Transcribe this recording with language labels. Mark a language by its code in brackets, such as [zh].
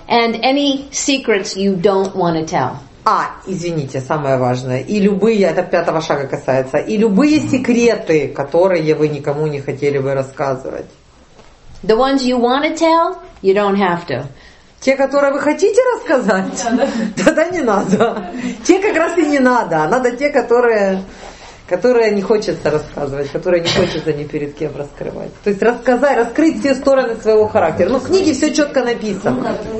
[en] And any secrets you don't want to tell. [ru] А, извините, самое важное. И любые, это пятого шага касается, и любые секреты, которые вы никому не хотели бы рассказывать. [en] The ones you want to tell, you don't have to. [ru] Те, которые вы хотите рассказать, тогда не надо. Те как раз и не надо. Надо те, которые которая не хочется рассказывать, которая не хочется ни перед кем раскрывать. То есть рассказать, раскрыть все стороны своего характера. Ну, в книге все четко написано.